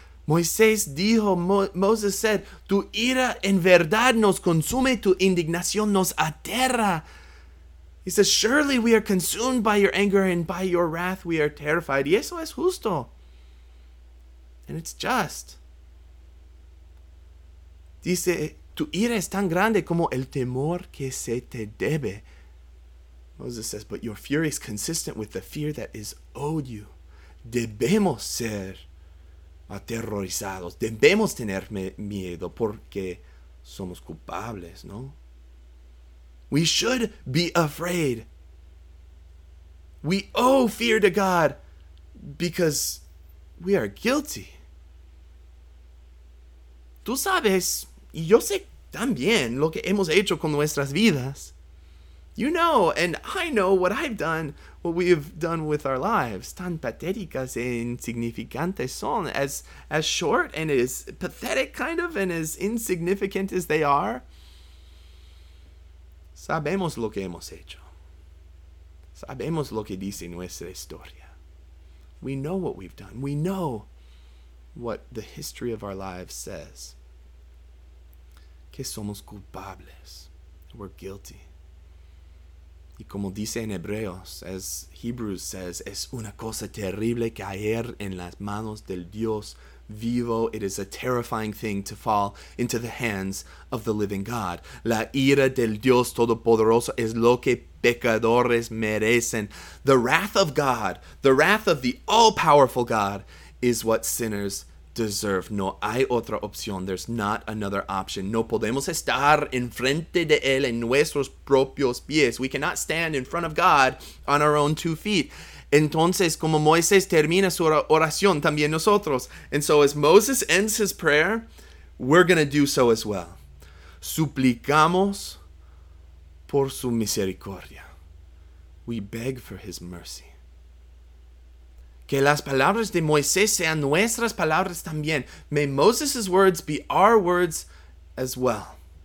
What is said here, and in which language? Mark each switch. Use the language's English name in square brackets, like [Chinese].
[Spanish] Moisés dijo, [English] Moses said, [Spanish] tu ira en verdad nos consume, tu indignación nos aterra. [English] He says, surely we are consumed by your anger and by your wrath we are terrified. [Spanish] Y eso es justo. [English] And it's just. [Spanish] Dice, tu ira es tan grande como el temor que se te debe. [English] Moses says, but your fury is consistent with the fear that is owed you. [Spanish] Debemos ser aterrorizados. Debemos tener miedo porque somos culpables, ¿no? [English] We should be afraid. We owe fear to God because we are guilty. [Spanish] Tú sabes, y yo sé también lo que hemos hecho con nuestras vidas. [English] You know, and I know what I've done, what we've done with our lives. [Spanish] Tan patéticas e insignificantes son, [English] as short and as pathetic kind of, and as insignificant as they are. [Spanish] Sabemos lo que hemos hecho. Sabemos lo que dice nuestra historia. [English] We know what we've done. We know what the history of our lives says. [Spanish] Que somos culpables. [English] We're guilty. [Spanish] Y como dice en Hebreos, [English] as Hebrews says, [Spanish] es una cosa terrible caer en las manos del Dios vivo. [English] It is a terrifying thing to fall into the hands of the living God. [Spanish] La ira del Dios Todopoderoso es lo que pecadores merecen. [English] The wrath of God, the wrath of the all-powerful God, is what sinners deserve. [Spanish] No hay otra opción. [English] There's not another option. [Spanish] No podemos estar en frente de él en nuestros propios pies. [English] We cannot stand in front of God on our own two feet. [Spanish] Entonces, como Moisés termina su oración, también nosotros. [English] And so as Moses ends his prayer, we're going to do so as well. [Spanish] Suplicamos por su misericordia. [English] We beg for his mercy. [Spanish] Que las palabras de Moisés sean nuestras palabras también. [English] May Moses' words be our words as well.